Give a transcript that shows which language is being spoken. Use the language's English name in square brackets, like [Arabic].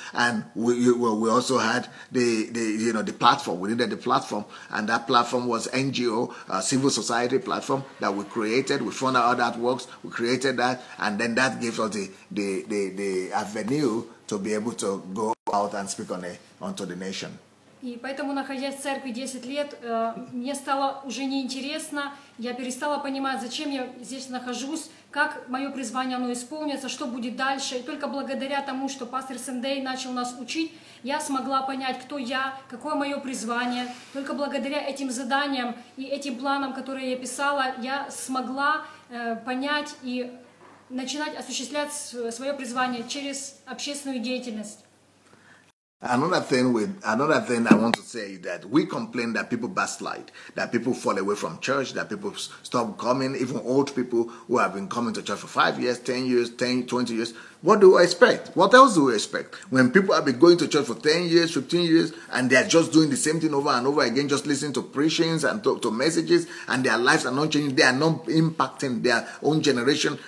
[English] And we also had the platform. We needed the platform. And that platform was NGO. A civil society platform that we created. We found out how that works. We created that, and then that gives us the avenue to be able to go out and speak onto the nation. [Russian] И поэтому, находясь в церкви 10 лет, мне стало уже неинтересно. Я перестала понимать, зачем я здесь нахожусь, как мое призвание оно исполнится, что будет дальше. И только благодаря тому, что пастор Сендей начал нас учить, я смогла понять, кто я, какое мое призвание. Только благодаря этим заданиям и этим планам, которые я писала, я смогла понять и начинать осуществлять свое призвание через общественную деятельность. [English] Another thing I want to say is that we complain that people backslide, that people fall away from church, that people stop coming, even old people who have been coming to church for 5 years, 10 years, 10, 20 years. What do we expect? What else do we expect? When people have been going to church for 10 years, 15 years, and they are just doing the same thing over and over again, just listening to preachings and to messages, and their lives are not changing, they are not impacting their own generation.